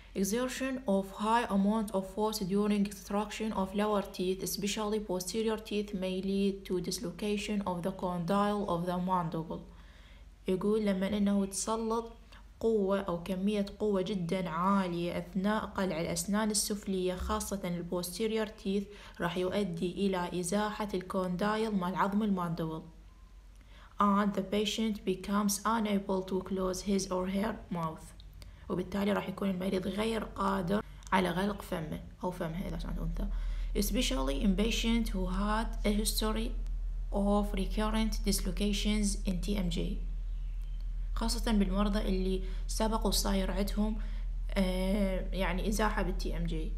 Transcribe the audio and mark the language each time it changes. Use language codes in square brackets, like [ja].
[en] Exertion of high amount of force during extraction of lower teeth, especially posterior teeth, may lead to dislocation of the condyle of the mandible. [ar] يقول لما إنه تسلط قوة أو كمية قوة جدا عالية أثناء قلع الأسنان السفلية خاصة البوستيرير تيث راح يؤدي إلى إزاحة الكوندايل مع العظم الماندبل. [en] And the patient becomes unable to close his or her mouth. [ar] وبالتالي راح يكون المريض غير قادر على غلق فمه أو فمها إذا كانت أنثى. [en] Especially in patients who had a history of recurrent dislocations in TMJ. [ar] خاصة بالمرضى اللي سبق وصاير عندهم يعني إزاحة بالTMJ.